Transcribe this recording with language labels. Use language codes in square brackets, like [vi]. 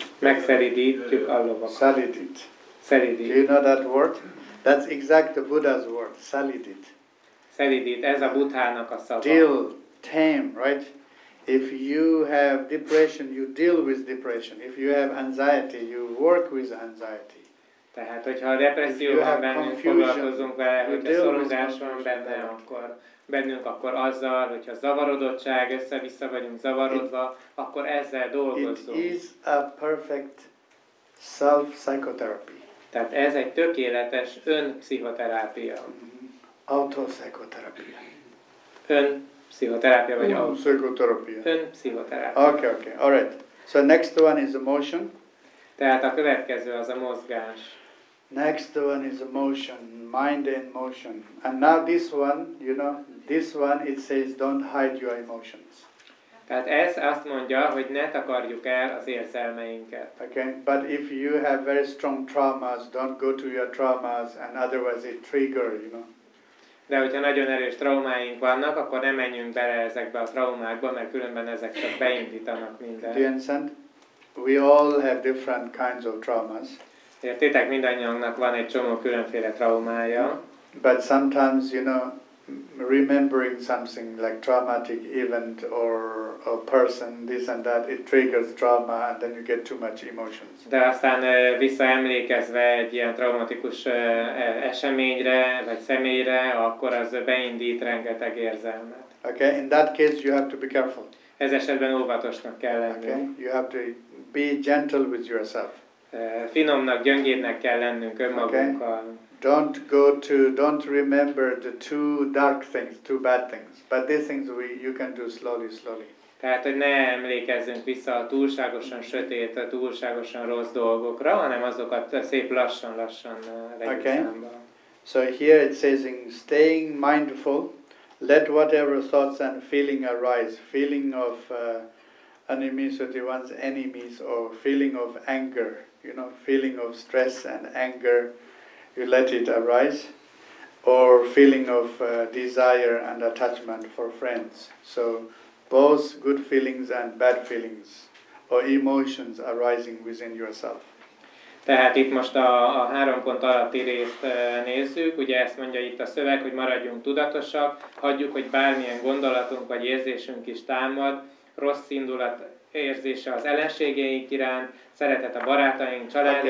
[hu] Megszelidítjük a lovakat. Szelidít. Szelidít. [en] Do you know that word? That's exactly the Buddha's word, szelidít. [hu] Szelidít, ez a Buddhának a szava. [en] Deal, tame, right? If you have depression, you deal with depression. If you have anxiety, you work with anxiety. [hu] Tehát, hogyha a depresszió van bennünk, foglalkozunk vele, hogyha szorongás van benne, akkor bennünk, akkor azzal, hogyha zavarodottság, össze-vissza vagyunk zavarodva, akkor ezzel dolgozunk. [en] It is a perfect self-psychotherapy. [hu] Tehát ez egy tökéletes önpszichoterápia. Autopszichoterapia. Önpszichoterapia vagy autopszichoterapia. Önpszichoterapia. [en] Okay, okay, all right. So next one is emotion. [hu] Tehát a következő az a mozgás. [en] Next one is emotion, mind and motion. And now this one, you know, this one it says don't hide your emotions. [hu] Tehát ez azt mondja, hogy ne takarjuk el az érzelmeinket. [en] Okay, but if you have very strong traumas, don't go to your traumas, and otherwise it trigger, you know. [hu] De hogyha nagyon erős traumáink vannak, akkor ne menjünk bele ezekbe a traumákba, mert különben ezek csak beindítanak mindent. [en] Do you understand? We all have different kinds of traumas. [hu] Értitek, mindannyiunknak van egy csomó különféle traumája. [en] But sometimes, you know, remembering something like traumatic event or a person, this and that, it triggers trauma and then you get too much emotions. [hu] De aztán visszaemlékezve egy ilyen traumatikus eseményre vagy személyre, akkor az beindít rengeteg érzelmet. [en] Okay, in that case you have to be careful. [hu] Ez esetben óvatosnak kell lenni. [en] Okay, you have to be gentle with yourself. [hu] Finomnak, gyöngédnek kell lennünk önmagunkkal. [en] Okay. Don't remember the two dark things, two bad things. But these things you can do slowly. [hu] Tehát, hogy ne emlékezzünk vissza a túlságosan sötét, a túlságosan rossz dolgokra, hanem azokat szép lassan legyen. [en] Okay. So here it says in staying mindful, let whatever thoughts and feeling arise, feeling of enemies or the one's enemies, or feeling of anger, you know, feeling of stress and anger. You let it arise, or feeling of desire and attachment for friends. So both good feelings and bad feelings or emotions arising within yourself. [hu] Tehát itt most a három pont alatti részt nézzük, ugye ezt mondja itt a szöveg, hogy maradjunk tudatosak, hagyjuk, hogy bármilyen gondolatunk vagy érzésünk is támad, rossz indulat érzése az ellenségeink iránt, szeretet a barátaink, család okay.